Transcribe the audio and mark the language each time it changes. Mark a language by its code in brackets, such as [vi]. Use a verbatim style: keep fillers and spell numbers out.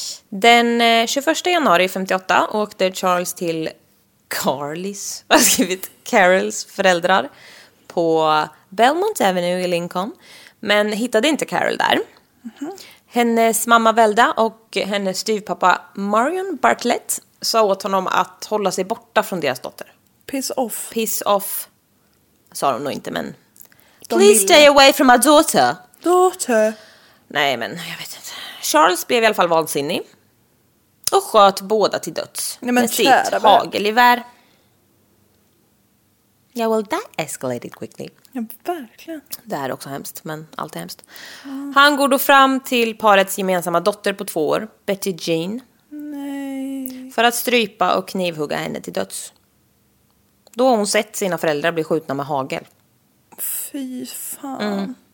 [sv] Den tjugoförsta januari femtioåtta åkte Charles till Carlys, vad har skrivit, Carols föräldrar på Belmont Avenue i Lincoln. Men hittade inte Carol där. Mm-hmm. Hennes mamma Velda och hennes styvpappa Marion Bartlett sa åt honom att hålla sig borta från deras dotter. [en] Piss off. Piss off, [sv] sa de nog inte, men... De Please vill... [en] stay away from my daughter. Daughter? [sv] Nej, men jag vet inte. Charles blev i alla fall vansinnig. Och sköt båda till döds. Nej, men med sitt hagelgevär. [en] Ja, yeah, well that escalated quickly. [sv] Ja, verkligen. Det här är också hemskt, men allt är hemskt. Mm. Han går då fram till parets gemensamma dotter på två år, Betty Jean. Nej. För att strypa och knivhugga henne till döds. Då har hon sett sina föräldrar bli skjutna med hagel. Fy fan. Mm.